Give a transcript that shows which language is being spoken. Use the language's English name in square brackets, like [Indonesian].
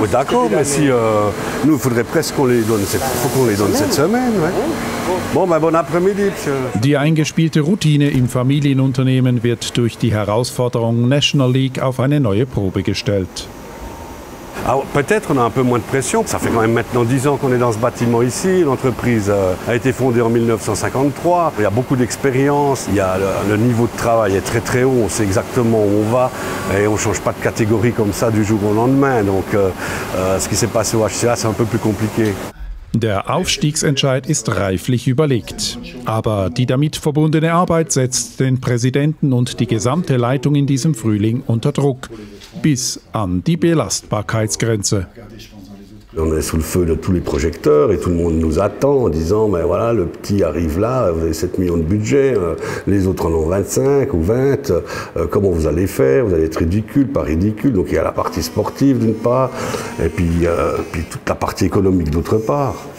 [French] Oui, d'accord, mais si nous, il faudrait presque qu'on les donne cette semaine. Bon, ben, bon après-midi. [German] Die eingespielte Routine im Familienunternehmen wird durch die Herausforderung National League auf eine neue Probe gestellt. [French] Alors, peut-être on a un peu moins de pression. Ça fait quand même maintenant 10 ans qu'on est dans ce bâtiment ici. L'entreprise a été fondée en 1953. Il y a beaucoup d'expérience. Il y a le niveau de travail est très très haut. On sait exactement où on va. Et on ne change pas de catégorie comme ça du jour au lendemain. Donc, ce qui s'est passé au HCA, c'est un peu plus compliqué. [German] Der Aufstiegsentscheid ist reiflich überlegt. Aber die damit verbundene Arbeit setzt den Präsidenten und die gesamte Leitung in diesem Frühling unter Druck. Bis an die Belastbarkeitsgrenze. [French] On est sous le feu de tous les projecteurs et tout le monde nous attend en disant « Mais voilà, le petit arrive là, vous avez 7 millions de budget, les autres en ont 25 ou 20, comment vous allez faire? Vous allez être ridicule, pas ridicule. » Donc il y a la partie sportive d'une part et puis toute la partie économique d'autre part.